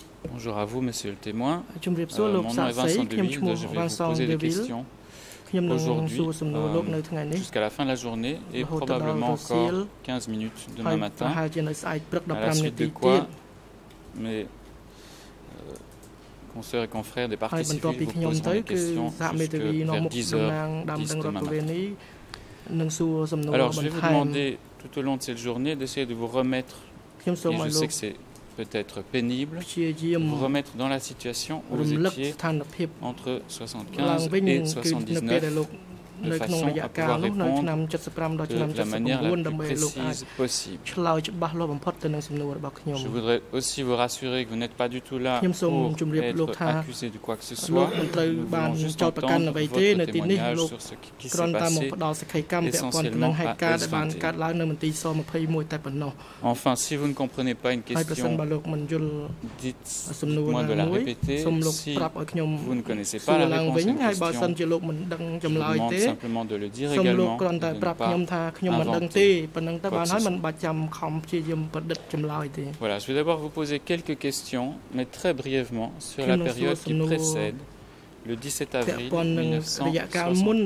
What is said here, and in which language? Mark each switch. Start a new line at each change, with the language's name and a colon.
French: bonjour à vous Monsieur le Témoin, mon nom est Vincent Deville, je vais vous poser des questions aujourd'hui jusqu'à la fin de la journée et probablement encore 15 minutes demain matin, à la suite de quoi mes consoeurs et confrères des parties civiles vous poseront des questions jusqu'à 10h demain matin. Alors, je vais vous demander tout au long de cette journée d'essayer de vous remettre, et je sais que c'est peut-être pénible, vous remettre dans la situation où vous étiez entre 75 et 79
Khmer: ក្នុងរយៈកាលនោះនៅឆ្នាំ75ដល់ឆ្នាំ79ដើម្បីលោកអាចឆ្លើយច្បាស់លាស់បំផុតទៅនឹងសំណួររបស់ខ្ញុំ
French: Je voudrais aussi vous rassurer que vous n'êtes pas du tout là pour être accusé de quoi que ce soit
Khmer: មិនត្រូវបានចោទប្រកាន់អ្វីទេនៅទីនេះលោកគ្រាន់តែមកផ្ដល់សេចក្តីកម្មពាក់ព័ន្ធនឹងហេតុការណ៍ដែលបានកើតឡើងនៅមន្ទីរស-21តែប៉ុណ្ណោះ
French: Enfin si vous ne comprenez pas une question
Khmer: បើលោកមិនយល់
French: dites moi de la répéter
Khmer: សូមលោកប្រាប់ឲ្យខ្ញុំ
French: vous ne connaissez pas la réponse
Khmer: វិញហើយបើសិនជាលោកមិនដឹងចម្លើយទេ
French: simplement de le dire également.
Khmer: ខ្ញុំគ្រាន់តែប្រាប់ខ្ញុំថាខ្ញុំមិនដឹងទេប៉ុណ្្នឹងទៅបានហើយមិនបាច់ចាំខំព្យាយាមប្រឌិតចម្លើយទេ
French: Voilà, je vais d'abord vous poser quelques questions mais très brièvement sur la période qui précède le 17 avril 1975.